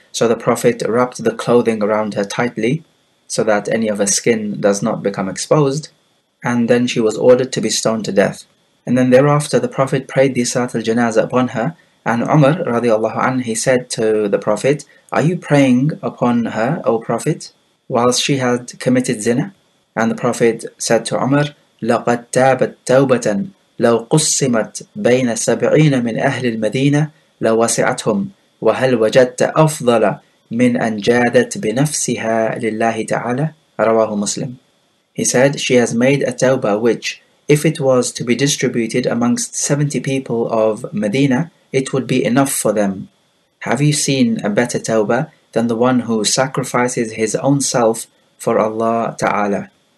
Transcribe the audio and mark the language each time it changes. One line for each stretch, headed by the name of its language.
English: So the Prophet wrapped the clothing around her tightly, so that any of her skin does not become exposed. And then she was ordered to be stoned to death. And then thereafter, the Prophet prayed the Salat al-Janazah upon her. And Umar, radiallahu anhu, he said to the Prophet, are you praying upon her, O Prophet, whilst she had committed zina? And the Prophet said to Umar,
Arabic: لَقَدْ تَابَتْ تَوْبَةً لَوْ قُسِّمَتْ بَيْنَ سَبْعِينَ مِنْ أَهْلِ الْمَدِينَةِ لَوَسِعَتْهُمْ وَهَلْ وَجَدْتَ أَفْضَلَ مِنْ أَنْ جَادَتْ بِنَفْسِهَا لِلَّهِ تَعَالَى. رواه مسلم.
English: He said, she has made a tawbah which, if it was to be distributed amongst 70 people of Medina, it would be enough for them. Have you seen a better tawbah than the one who sacrifices his own self for Allah Ta'ala?